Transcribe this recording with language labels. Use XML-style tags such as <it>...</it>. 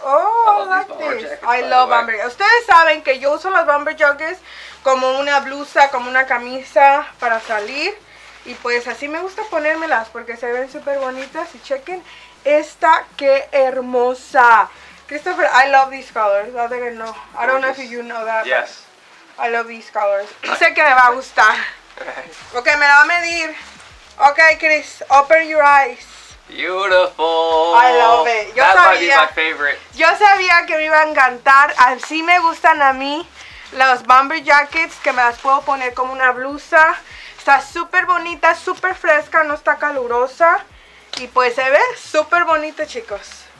<en>Oh, I love like this. Jackets, I love bumper.</en> <es>Ustedes saben que yo uso las bumper jackets como una blusa, como una camisa para salir. Y pues así me gusta ponérmelas porque se ven súper bonitas. Y chequen esta, qué hermosa.</es> <en>Christopher, I love these colors. I think I know. I don't know if you know that. Yes. I love these colors.</en> <es>Sé que me va a gustar. Okay, me la va a medir.</es> <en>Okay, Chris, open your eyes. Beautiful. I love it. Yo that</en> <es>sabía,</es> <en>might be my favorite.</en> <es>Yo sabía que me iba a encantar. Así me gustan a mí los bomber jackets, que me las puedo poner como una blusa. Está súper bonita, súper fresca, no está calurosa. Y pues se ve súper bonita, chicos.</es>